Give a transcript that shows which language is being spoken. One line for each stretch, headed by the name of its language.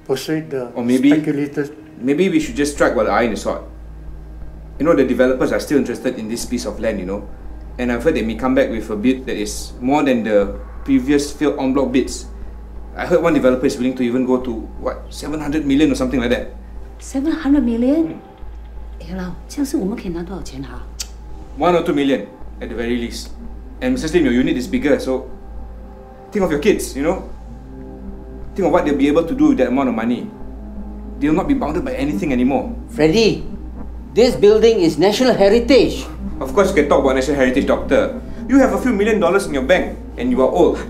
English: Maybe we should just strike while the iron is hot. You know, the developers are still interested in this piece of land, you know. And I've heard they may come back with a bid that is more than the previous failed en bloc bids. I heard one developer is willing to even go to, what, 700 million or something like that. 700 million?
Chinese: Hey,老,这样是我们可以拿多少钱啊?
English: 1 or 2 million, at the very least. And Mrs. Lim, your unit is bigger, so think of your kids, you know. Think of what they'll be able to do with that amount of money. they'll not be bounded by anything anymore. Freddy, this building is National Heritage. Of course you can talk about National Heritage, Doctor. You have a few million dollars in your bank and you are old.